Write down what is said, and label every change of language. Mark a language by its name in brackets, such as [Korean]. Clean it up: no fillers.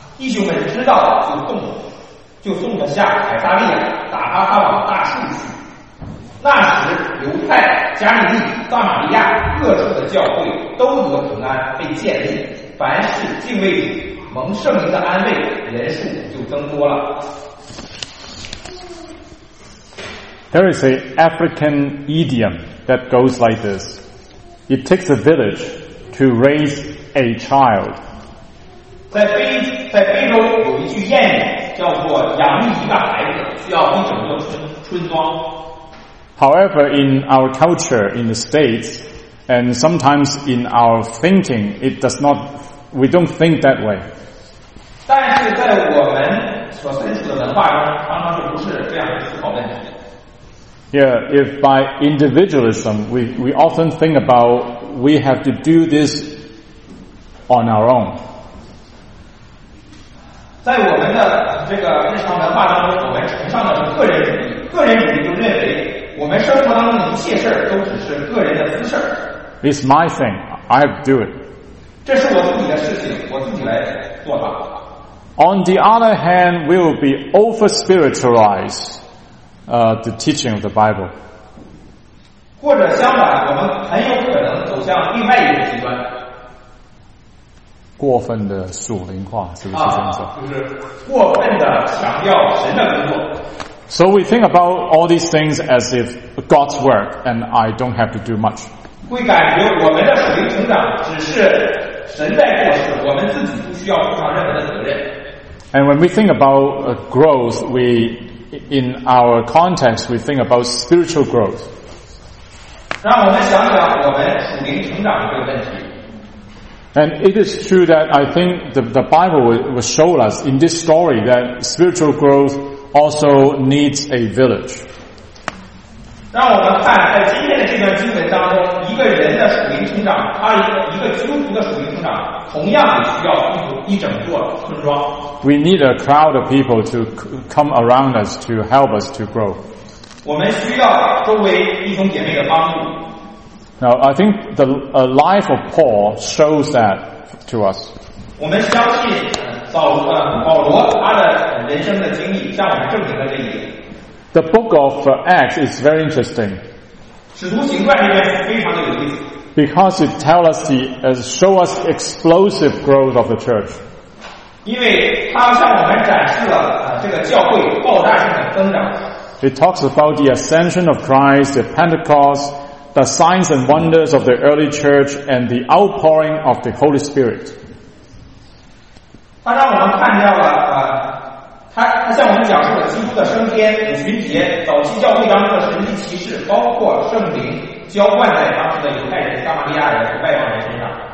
[Chinese] 弟兄们知道就动了，就送他下凯撒利亚，打发他往大树去。那时犹太、加利利、撒玛利亚各处的教会都得平安，被建立，凡事敬畏主，蒙圣灵的安慰，人数就增多了。 [English] There is an African idiom that goes like this: It takes a village to raise a child. [Chinese] 在非洲有一句谚语叫做养育一个孩子需要一整个村庄。 [English] However, in our culture in the States, and sometimes in our thinking, we don't think that way. [Chinese] 但是在我们所身处的文化中，常常就不是这样思考问题。 [English] Yeah, if by individualism, we often think about we have to do this on our own. [Chinese] 在我们的这个日常文化当中，我们崇尚的是个人主义。个人主义就认为，我们生活当中的一切事儿都只是个人的私事儿。 [English] It's my thing. I have to do it. [Chinese] 这是我自己的事情，我自己来做吧。 [English] On the other hand, we will be over-spiritualized, the teaching of the Bible. [Chinese] 或者相反，我们很有可能走向另外一个极端。过分的属灵化，是不是这样子？就是过分的强调神的工作。 [English] So we think about all these things as if God's work, and I don't have to do much. [Chinese] 会感觉我们的属灵成长只是神在做事，我们自己不需要负上任何的责任。 [English] And when we think about growth, we, in our context, we think about spiritual growth. [Chinese] 让我们想想我们属灵成长的这个问题。 [English] And it is true that I think the Bible will show us in this story that spiritual growth also needs a village. [Chinese] 让我们看在今天的这段经文当中，一个人的属灵成长，他一个基督徒的属灵成长，同样也需要一整座村庄。 [English] We need a crowd of people to come around us to help us to grow. [Chinese] 我们需要周围弟兄姐妹的帮助。 [English] Now, I think the life of Paul shows that to us. [Chinese] 我们相信保罗他的人生的经历向我们证明了这一点。 [English] The book of Acts is very interesting. [Chinese] 使徒行传里面非常的有意思。 [English] Because it tells us the show us explosive growth of the church. [Chinese] 因为它向我们展示了这个教会爆炸性的增长。 [English] It talks about the ascension of Christ, the Pentecost, the signs and wonders of the early church, and the outpouring of the Holy Spirit. [Chinese] 它让我们看到了它向我们讲述了基督的升天、五旬节、早期教会当中的神迹奇事，包括圣灵浇灌在当时的犹太人、撒玛利亚人和外邦人身上。